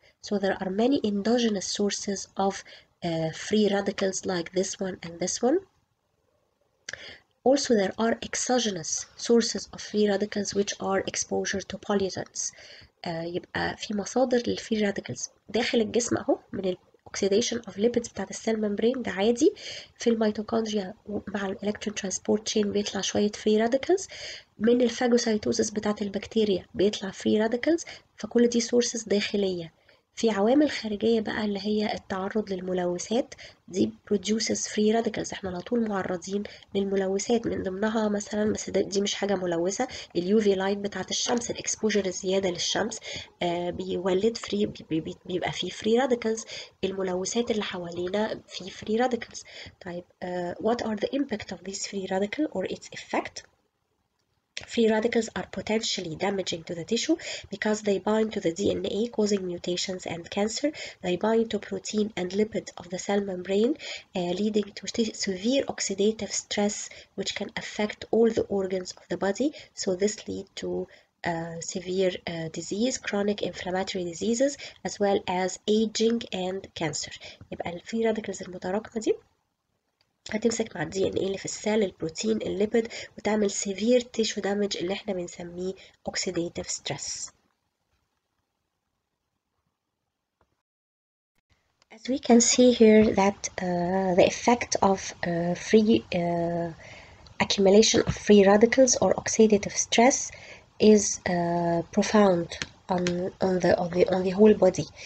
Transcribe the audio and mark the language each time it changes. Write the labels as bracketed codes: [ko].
[en] So there are many endogenous sources of free radicals like this one and this one. Also, there are exogenous sources of free radicals which are exposure to pollutants. [ar] يبقى في مصادر للفري راديكلز داخل الجسم اهو, من [en] oxidation of lipids [ar] بتاعت السيل ممبرين ده عادي في الميتوكوندريا مع الالكترون ترانسبورت شين بيطلع شوية free radicals من الفاجوسايتوزس بتاعت البكتيريا بيطلع free radicals فكل دي sources داخلية. في عوامل خارجية بقى اللي هي التعرض للملوثات دي [en] produces free radicals، [ar] احنا على طول معرضين للملوثات من ضمنها مثلا بس دي مش حاجة ملوثة ال UV light بتاعت الشمس ال exposure الزيادة للشمس بيولد free بيبقى فيه free radicals، الملوثات اللي حوالينا فيه free radicals. [en] طيب what are the impact of these free radical or its effect؟ Free radicals are potentially damaging to the tissue because they bind to the DNA causing mutations and cancer. They bind to protein and lipid of the cell membrane leading to severe oxidative stress which can affect all the organs of the body. So this lead to severe disease, chronic inflammatory diseases as well as aging and cancer. [ar] يبقى الفري راديكلز المتراكمة دي هتمسك مع الدي ان ايه اللي في السال البروتين الليبيد وتعمل سيفير تيشو دامج اللي احنا بنسميه اوكسيديتيف ستريس. [en] As we can see here that the effect of free accumulation of free radicals or oxidative stress is profound on the whole body.